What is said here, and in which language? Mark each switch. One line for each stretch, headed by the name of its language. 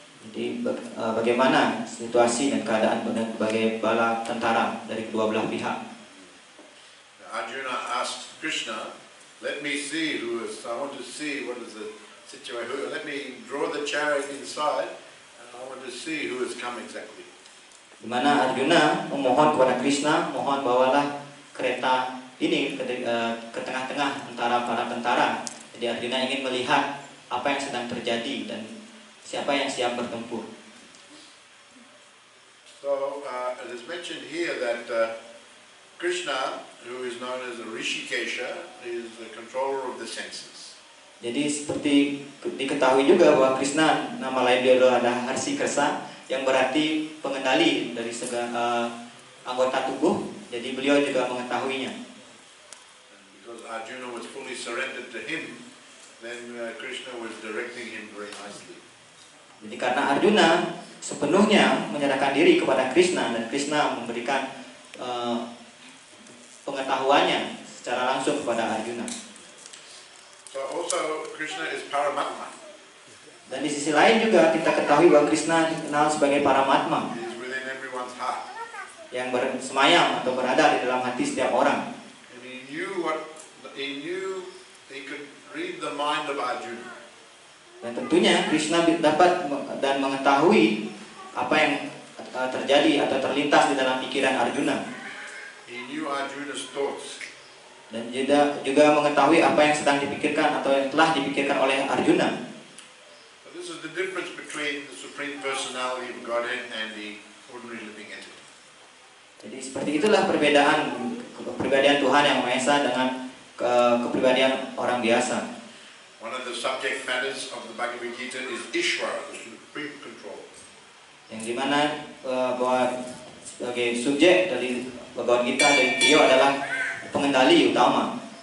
Indonesian: Jadi, bagaimana situasi dan keadaan berbagai bala tentara dari kedua belah pihak?
English: Arjuna asked Krishna, "Let me see who is. I want to see what is the." Let me draw the chariot inside, and I want to see who has come exactly.
Indonesian: Di mana Arjuna memohon kepada Krishna, mohon bawalah kereta ini ke tengah-tengah antara para tentara. Jadi Arjuna ingin melihat apa yang sedang terjadi dan siapa yang siap bertempur.
English: So it is mentioned here that Krishna, who is known as Rishikesha, is the controller of the senses.
Indonesian: Jadi seperti diketahui juga bahwa Krishna nama lain dia adalah Harsikesa yang berarti pengendali dari segala anggota tubuh. Jadi beliau juga mengetahuinya.
English: Because Arjuna was fully surrendered to him, then Krishna was directing him very nicely.
Indonesian: Jadi karena Arjuna sepenuhnya menyerahkan diri kepada Krishna dan Krishna memberikan pengetahuannya secara langsung kepada Arjuna.
English: Also, Krishna is Paramatma.
Indonesian: Dan di sisi lain juga kita ketahui bahwa Krishna dikenal sebagai Paramatma.
English: He is within everyone's heart.
Indonesian: Yang bersemayam atau berada di dalam hati setiap orang.
English: And he knew what he knew. He could read the mind of Arjuna.
Indonesian: Dan tentunya Krishna dapat dan mengetahui apa yang terjadi atau terlintas di dalam pikiran Arjuna.
English: He knew Arjuna's thoughts.
Indonesian: Dan juga mengetahui apa yang sedang dipikirkan atau yang telah dipikirkan oleh Arjuna.
English: This is the difference between the supreme personality of Godhead and the ordinary living entity.
Indonesian: Jadi seperti itulah perbedaan kepribadian Tuhan yang Maha Esa dengan kepribadian orang biasa.
English: One of the subject matters of the Bhagavad Gita is Ishvara, the supreme control.
Indonesian: Yang dimana bahwa sebagai subjek dari Bhagavad Gita dan beliau adalah pengendali utama.